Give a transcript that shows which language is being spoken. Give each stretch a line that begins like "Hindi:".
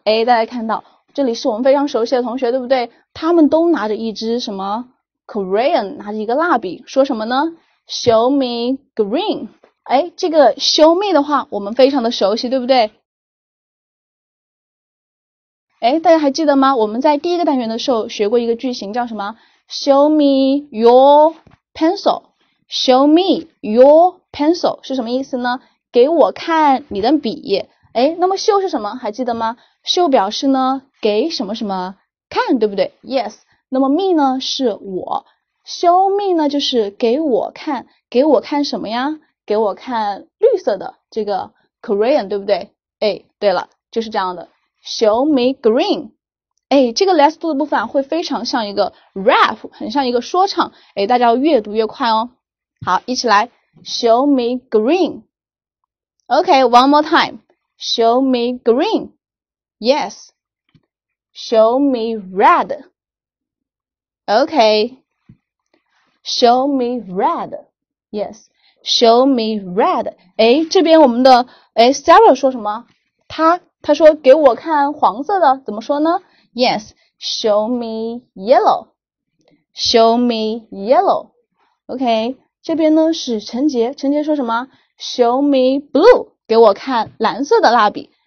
Chinese: 哎，大家看到这里是我们非常熟悉的同学，对不对？他们都拿着一支什么 crayon，拿着一个蜡笔，说什么呢？
English: Show me green。
Chinese: 哎，这个 show me 的话，我们非常的熟悉，对不对？哎，大家还记得吗？我们在第一个单元的时候学过一个句型，叫什么？
English: Show me your pencil. Show me your pencil
Chinese: 是什么意思呢？给我看你的笔。哎，那么 show 是什么？还记得吗？show 表示呢给什么什么看，对不对？Yes。那么 me 呢是我，show me 呢就是给我看，给我看什么呀？给我看绿色的这个 crayon，对不对？哎，对了，就是这样的。
English: Show me green，
Chinese: 哎，这个 let's do 的部分啊，会非常像一个 rap，很像一个说唱，哎，大家要越读越快哦。
English: 好，一起来，Show me green，OK，one more time，Show me green，Yes，Show me red，OK，Show me red，Yes，Show me red，
Chinese: 哎，这边我们的哎 Sarah 说什么？他说：“给我看黄色的，怎么说呢？”
English: Yes, show me yellow. Show me yellow.
Chinese: OK，这边呢是陈杰，陈杰说什么？
English: Show me blue，
Chinese: 给我看蓝色的蜡笔。